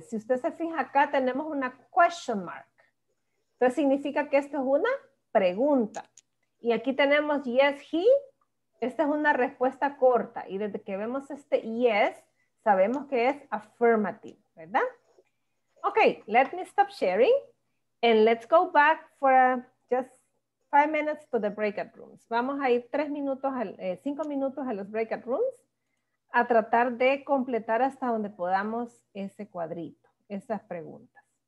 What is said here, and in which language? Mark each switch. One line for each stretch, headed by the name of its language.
Spanish: Si usted se fija acá, tenemos una question mark. Entonces significa que esto es una pregunta. Y aquí tenemos yes, he. Esta es una respuesta corta. Y desde que vemos este yes, sabemos que es affirmative, ¿verdad?
English: Ok, let me stop sharing. And let's go back for just 5 minutes to the breakout rooms.
Spanish: Vamos a ir 5 minutos a los breakout rooms a tratar de completar hasta donde podamos ese cuadrito, esas preguntas.